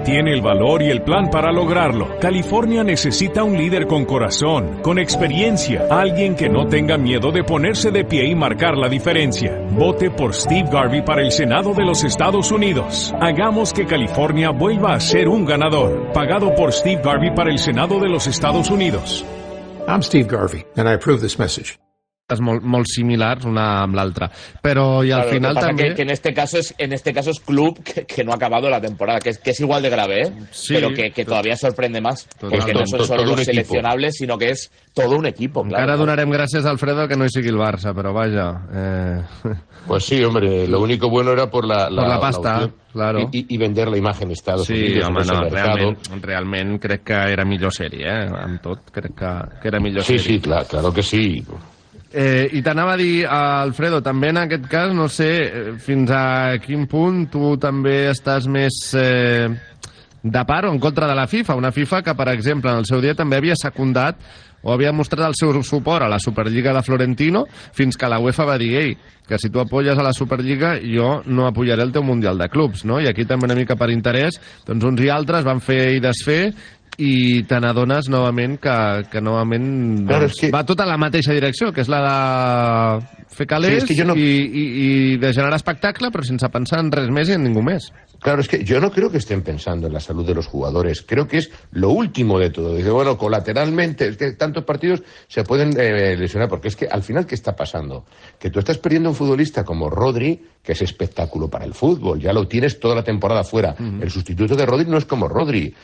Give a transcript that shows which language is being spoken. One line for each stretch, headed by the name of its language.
Spanish: Tiene el valor y el plan para lograrlo. California necesita un líder con corazón, con experiencia, alguien que no tenga miedo de ponerse de pie y marcar la diferencia. Vote por Steve Garvey para el Senado de los Estados Unidos. Hagamos que California vuelva a ser un ganador. Pagado por Steve Garvey para el Senado de los Estados Unidos.
English: I'm Steve Garvey and I approve this message.
Catalan: Molt similars una amb l'altra, però i al final que també
Spanish: que en este caso es club que no ha acabado la temporada, que es igual de grave, sí, però que todavía sorprende más, porque no son solo los seleccionables,
Catalan: sinó que és tot un equip, clar. Encara donarem gràcies a Alfredo que no hi sigui el Barça, però vaja,
Spanish: Pues sí, hombre, lo único bueno era por la pasta, claro. Y vender la imagen Estados sí, Unidos,
Catalan: home, no, realment crec que era millor sèrie, amb tot, crec que era millor sèrie. Sí, clar,
Spanish: claro que sí.
Catalan: I t'anava a dir, Alfredo, també en aquest cas, no sé fins a quin punt tu també estàs més de part o en contra de la FIFA. Una FIFA que, per exemple, en el seu dia també havia secundat o havia mostrat el seu suport a la Superliga de Florentino fins que la UEFA va dir, ei, que si tu apoyes a la Superliga, jo no apoyaré el teu Mundial de Clubs, no? I aquí també una mica per interès, doncs uns i altres van fer i desfer i te n'adones novament que novament doncs, que va tot a la mateixa direcció, que és la de fer calés sí, no... i de generar espectacle, però sense pensar en res més i en ningú més.
Spanish: Claro, es que yo no creo que estén pensando en la salud de los jugadores. Creo que es lo último de todo. Dice, bueno, colateralmente, es que tantos partidos se pueden lesionar. Porque es que, al final, ¿qué está pasando? Que tú estás perdiendo un futbolista como Rodri, que es espectáculo para el fútbol. Ya lo tienes toda la temporada fuera. Uh-huh. El sustituto de Rodri no es como Rodri.